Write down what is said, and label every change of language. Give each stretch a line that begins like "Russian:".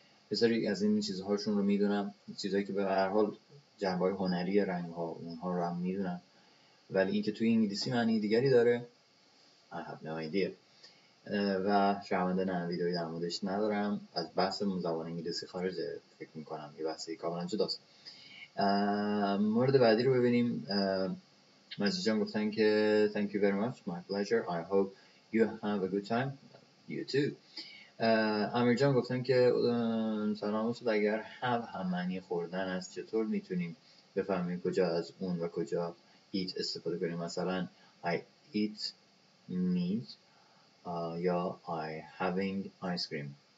Persian: بسیاری از این چیزهاشون رو میدونم، چیزایی که به هر حال جنبه هنری رنگ ها اونها رو هم میدونم، ولی اینکه توی انگلیسی معنی دیگری داره
English: I have no idea.
Persian: و شرمنده نه، ویدئوی در موردش ندارم. از بحث زبان انگلیسی خارج فکر میکنم، یه بحثی کاملا جداست. مورد بعدی رو ببینیم. مجید جان گفتن که
English: Thank you very much, my pleasure, I hope you have a good time, you too.
Persian: امیر جان گفتن که سلام استاد، اگر have هم معنی خوردن است چطور میتونیم بفهمیم کجا از اون و کجا eat استفاده کنیم؟ مثلا
English: I eat meat
Persian: یا
English: I having ice cream.